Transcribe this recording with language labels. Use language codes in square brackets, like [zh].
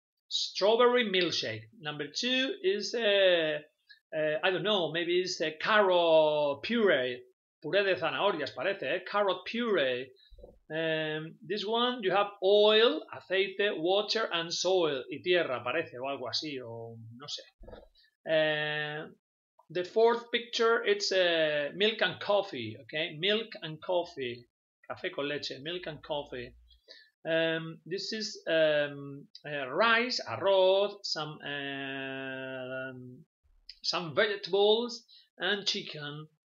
[en] Strawberry milkshake. Number two is, I don't know, maybe it's a carrot puree. [es] Puré de zanahorias, parece, eh? [en] Carrot puree. This one, you have oil, aceite, water, and soil. [es] Y tierra, parece, o algo así, o no sé. [en] The fourth picture, it's milk and coffee, okay? Milk and coffee, [es] café con leche, [en] milk and coffee. This is rice, arroz, some vegetables and chicken.